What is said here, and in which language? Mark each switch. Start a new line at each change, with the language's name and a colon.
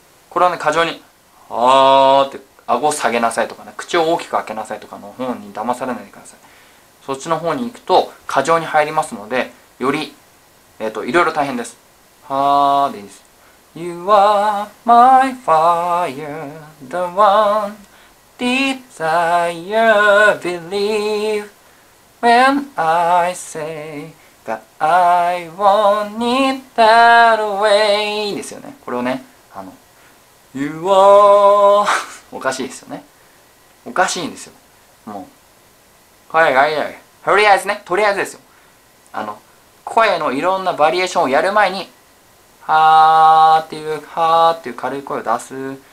Japanese: これはね、過剰に、はーって、顎を下げなさいとかね、口を大きく開けなさいとかの方に騙されないでください。そっちの方に行くと過剰に入りますので、よりいろいろ大変です。はーでいいです。
English: You are my fire, the one desire, believe when I say that I won't need that way
Japanese: ですよね。これをね、You are おかしいですよね。おかしいんですよ。もう。声がいい。とりあえずね。とりあえずですよ。声のいろんなバリエーションをやる前に、はーっていう、はーっていう軽い声を出す。